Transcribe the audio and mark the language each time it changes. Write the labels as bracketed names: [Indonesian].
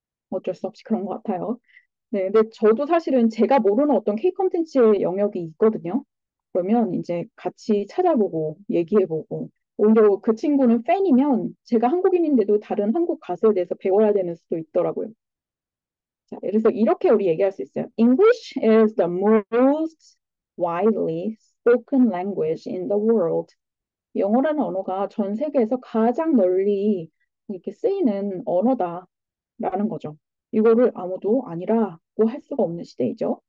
[Korean] 어쩔 수 없이 그런 것 같아요. 네, 근데 저도 사실은 제가 모르는 어떤 K 콘텐츠의 영역이 있거든요. 그러면 이제 같이 찾아보고 얘기해보고 오히려 그 친구는 팬이면 제가 한국인인데도 다른 한국 가수에 대해서 배워야 되는 수도 있더라고요. 자, 그래서 이렇게 우리 얘기할 수 있어요. [English] English is the most widely spoken language in the world. [Korean] 영어라는 언어가 전 세계에서 가장 널리 이렇게 쓰이는 언어다라는 거죠. 이거를 아무도 아니라고 할 수가 없는 시대이죠.